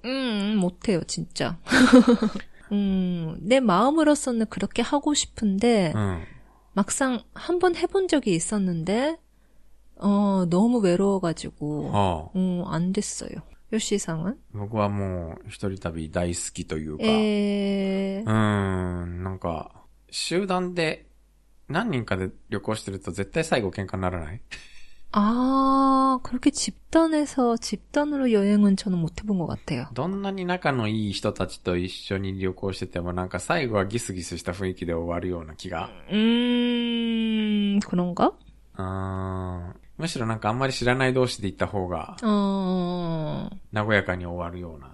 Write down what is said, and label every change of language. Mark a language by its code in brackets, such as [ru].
[ko] 못해요진짜 내마음으로서는그렇게하고싶은데막상한번해본적이있었는데너무외로워가지고안됐어요요시さんは [ja] 僕はもう一人旅大好きというか、なんか集団で何人かで旅行してると絶対最後喧嘩にならない？ [ko] 아그렇게집단에서집단으로여행은저는못해본것같아요 [ja] どんなに仲のいい人たちと一緒に旅行しててもなんか最後はギスギスした雰囲気で終わるような気が [ko] 그런가 [ja] 아むしろなんかあんまり知らない同士で行った方が和やかに終わるような